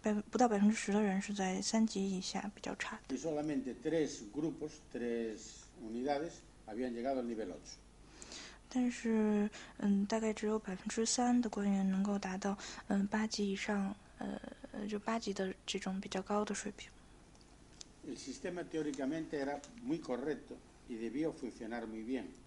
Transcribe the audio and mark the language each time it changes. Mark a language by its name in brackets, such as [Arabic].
[Chinese] 不到10%的人是在三级以下比较差的。 [Spanish] Y solamente tres grupos, tres unidades habían llegado al nivel 8. [Chinese] 但是，大概只有3%的官员能够达到八级以上，就八级的这种比较高的水平。 [Spanish] el sistema teóricamente era muy correcto y debió funcionar muy bien.